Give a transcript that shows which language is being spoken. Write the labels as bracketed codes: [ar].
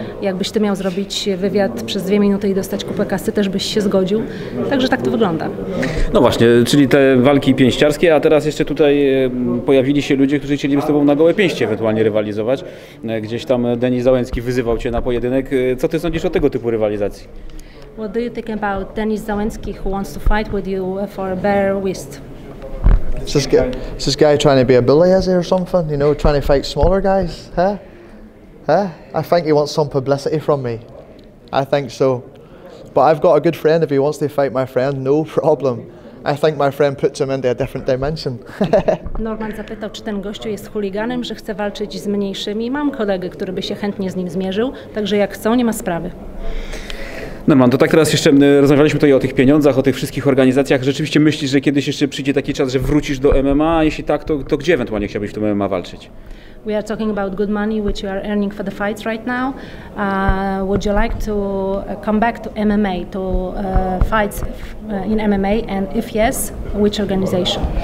[pl] Jakbyś ty miał zrobić wywiad przez 2 minuty i dostać kupę kasy, też byś się zgodził. Także tak to wygląda. No właśnie, czyli te walki pięściarskie, a teraz jeszcze tutaj pojawili się ludzie, którzy chcieliby z tobą na gołe pięście ewentualnie rywalizować. Gdzieś tam Denis Załęcki wyzywał cię na pojedynek. Co ty sądzisz o tego typu rywalizacji? [en] What do you think about Denis Załęcki, who wants to fight with you for a bare wrist? Is this guy trying to be a bully, is he, or something? You know, trying to fight smaller guys, huh? Huh? I think he wants some publicity from me. I think so. But I've got a good friend. If he wants to fight my friend, no problem. I think my friend puts him into a different dimension. [pl] Norman zapytał, czy ten gościu jest chuliganem, że chce walczyć z mniejszymi. Mam kolegę, który by się chętnie z nim zmierzył, także jak chcą, nie ma sprawy. Norman, to tak teraz jeszcze rozmawialiśmy tutaj o tych pieniądzach, o tych wszystkich organizacjach. Rzeczywiście myślisz, że kiedyś jeszcze przyjdzie taki czas, że wrócisz do MMA? Jeśli tak, to gdzie ewentualnie chciałbyś w tym MMA walczyć? [en] We are talking about good money, which you are earning for the fights right now. Would you like to come back to MMA, to fights in MMA? And if yes, which organization?